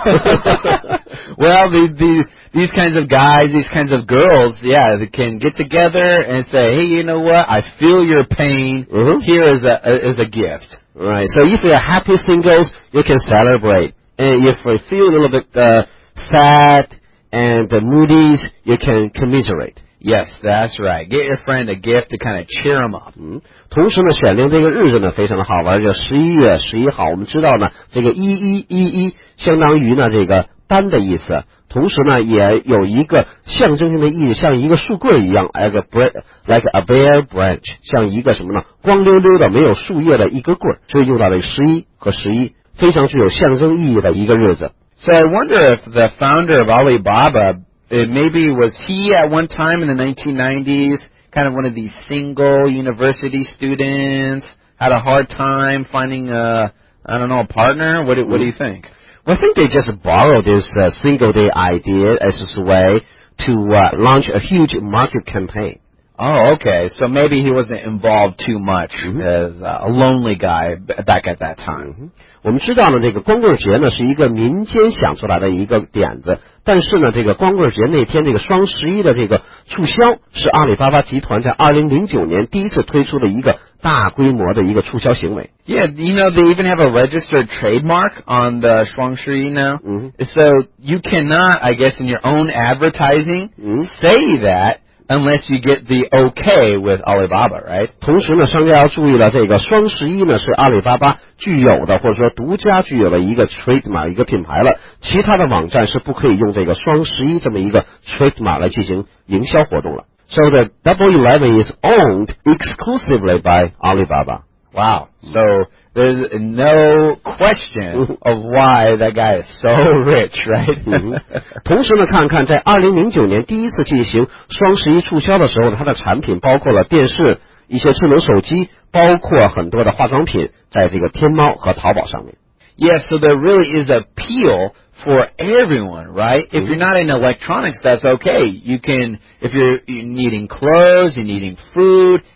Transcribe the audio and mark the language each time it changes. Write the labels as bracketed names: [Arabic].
[English] Well, these kinds of guys, these kinds of girls, yeah, they can get together and say, hey, you know what, I feel your pain, here is a gift. Right, so if you're happy singles, you can celebrate. And if you feel a little bit sad and the moody, you can commiserate. Yes, that's right. Get your friend a gift to kind of cheer him up. [Chinese] 同时呢，选定这个日子呢非常的好玩，叫11月11号。我们知道呢，这个1111相当于呢这个单的意思，同时呢也有一个象征性的意义，像一个树棍一样 [English] like a bare branch， [Chinese] 像一个什么呢，光溜溜的没有树叶的一个棍，所以用到了11和11，非常具有象征意义的一个日子。 [English] So I wonder if the founder of Alibaba. It maybe was he at one time in the 1990s, kind of one of these single university students, had a hard time finding a partner? What do you think? Well, I think they just borrowed this single day idea as a way to launch a huge market campaign. Oh, okay. So maybe he wasn't involved too much as a lonely guy back at that time. [Chinese] 我们知道呢，这个光棍节呢是一个民间想出来的一个点子，但是呢，这个光棍节那天这个双十一的这个促销是阿里巴巴集团在2009年第一次推出的一个大规模的一个促销行为。 [English] Yeah, you know they even have a registered trademark on the 双十一 now. So you cannot, I guess, in your own advertising say that. Unless you get the okay with Alibaba, right? [Chinese] 同时呢，商家要注意了，这个双十一呢是阿里巴巴具有的或者说独家具有的一个 trademark 一个品牌了，其他的网站是不可以用这个双十一这么一个 trademark 来进行营销活动了。 [English] So the Double 11 is owned exclusively by Alibaba. Wow. So there's no question of why that guy is so rich, right? [Chinese] 同时呢，看看在2009年第一次进行双十一促销的时候，它的产品包括了电视、一些智能手机，包括很多的化妆品，在这个天猫和淘宝上面。 [English] Yes, so there really is appeal for everyone, right? If you're not in electronics, that's okay. You can, if you're needing clothes, you're needing food.